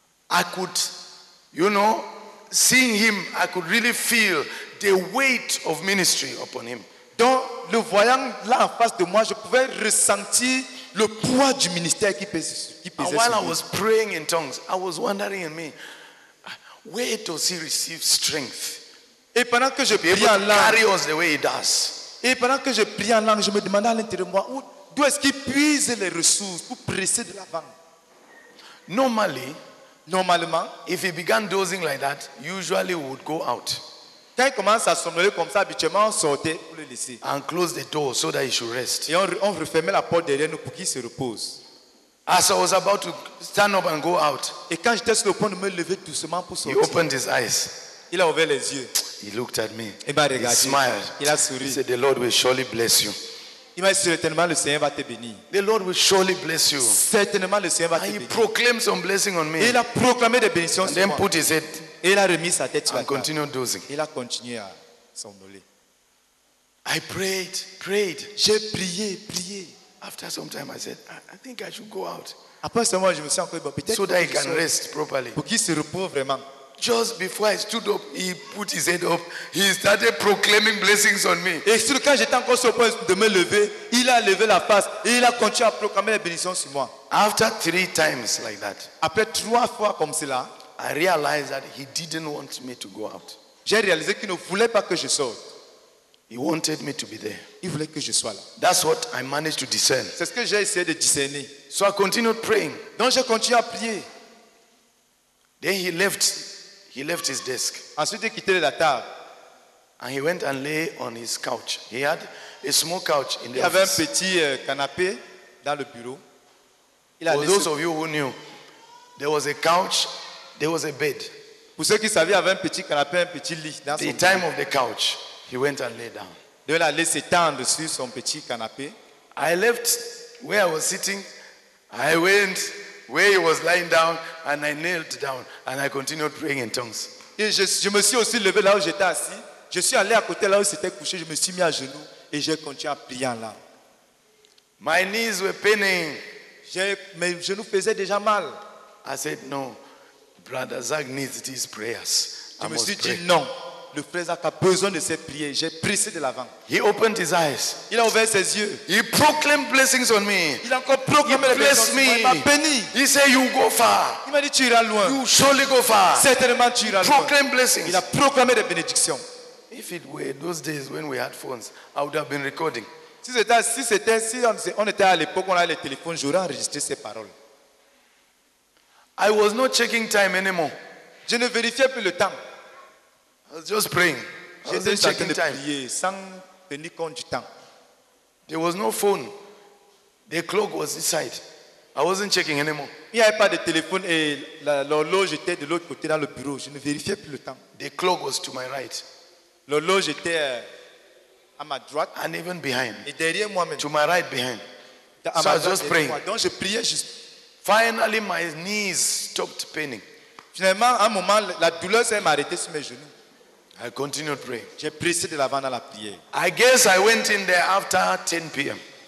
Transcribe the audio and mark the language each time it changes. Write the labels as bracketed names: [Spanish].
[English] I could, you know, seeing him, I could really feel the weight of ministry upon him. [French] Donc le voyant là en face de moi, je pouvais ressentir le poids du ministère qui pesait sur lui. [English] And while I was praying in tongues, I was wondering in me, where does he receive strength? [French] Et pendant que je priais en langue, je me demandais à l'intérieur de moi d'où est-ce qu'il puise les ressources pour presser de l'avant. [English] Normalement, if he began dozing like that, usually we would go out. [French] Quand il commence à somnoler comme ça, habituellement on sortait pour le laisser. [English] And close the door so that he should rest. [French] Et on refermait la porte derrière nous pour qu'il se repose. [English] As I was about to stand up and go out, [French] et quand j'étais sur le point de me lever doucement pour sortir, [English] he opened his eyes. [French] Il a ouvert les yeux. [English] He looked at me. [French] Il m'a regardé. [English] He smiled. [French] Il a souri. [English] He said, "The Lord will surely bless you." [French] Il m'a dit, certainement le Seigneur va te bénir. [English] The Lord will surely bless you. [French] Certainement le Seigneur va te bénir. [English] And he proclaimed some blessing on me. [French] Et il a proclamé des bénédictions sur moi. [English] Then put his head. [French] Et il a remis sa tête sur la table. [English] And continued dozing. [French] Il a continué à somnoler. [English] I prayed, prayed. [French] J'ai prié, prié. [English] After some time, I said, "I think I should go out." [French] Après ce moment, je me suis encore dit, [English] so that he can rest properly. [French] Pour qu'il se repose vraiment. [English] Just before I stood up, he put his head up. He started proclaiming blessings on me. [French] Et sur quand j'étais encore sur le point de me lever, il a levé la face et il a continué à proclamer les bénédictions sur moi. [English] After 3 times like that, [French] après 3 fois comme cela, [English] I realized that he didn't want me to go out. [French] J'ai réalisé qu'il ne voulait pas que je sorte. [English] He wanted me to be there. [French] Il voulait que je sois là. [English] That's what I managed to discern. [French] C'est ce que j'ai essayé de discerner. [English] So I continued praying. [French] Donc j'ai continué à prier. [English] Then he left. He left his desk. [French] Ensuite, il a quitté la table. [English] And he went and lay on his couch. He had a small couch in the office. [French] Il avait un petit canapé dans le bureau. Il a [English] For those of you who knew, there was a couch, there was a bed. [French] Pour ceux qui savaient, il avait un petit canapé, un petit lit dans son bureau. [English] The time of the couch, he went and lay down. [French] Donc, il a laissé tendre sur son petit canapé. [English] I left where I was sitting. I went where he was lying down, and I knelt down, and I continued praying in tongues. [French] Et je me suis aussi levé là où j'étais assis. Je suis allé à côté là où c'était couché. Je me suis mis à genoux et j'ai continué à prier en langue. [English] My knees were paining. [French] Mes genoux faisaient déjà mal. [English] I said, "No, Brother Zach needs these prayers." [French] Je me suis dit non, le frère Zach a besoin de cette prière. J'ai pressé de l'avant. [English] He opened his eyes. [French] Il a ouvert ses yeux. [English] He proclaimed blessings on me. [French] Il a encore proclamé les bénédictions. [English] Me. [French] Il m'a béni. [English] He said, you go far. [French] Il m'a dit, tu iras loin. [English] You surely go far. [French] Certainement, tu iras [English] proclaim [French] loin. [English] Blessings. [French] Il a proclamé des bénédictions. [English] If it were those days when we had phones, I would have been recording. [French] Si on était à l'époque, on avait les téléphones, j'aurais enregistré ces paroles. [English] I was not checking time anymore. [French] Je ne vérifiais plus le temps. [English] I was just praying. [French] J'étais en train de prier sans tenir compte du temps. [English] There was no phone. The clock was inside. I wasn't checking anymore. [French] Il n'y avait pas de téléphone et l'horloge était de l'autre côté dans le bureau. Je ne vérifiais plus le temps. [English] The clock was to my right. [French] L'horloge était à ma droite. [English] And even behind. [French] Et derrière moi-même. [English] To my right behind. So I was just praying. [French] Donc je priais juste. [English] Finally, my knees stopped paining. [French] Finalement, à un moment, la douleur s'est arrêtée sur mes genoux. [English] I continued praying. [French] J'ai pressé de l'avant dans la prière. [English] I guess I went in there after 10 p.m.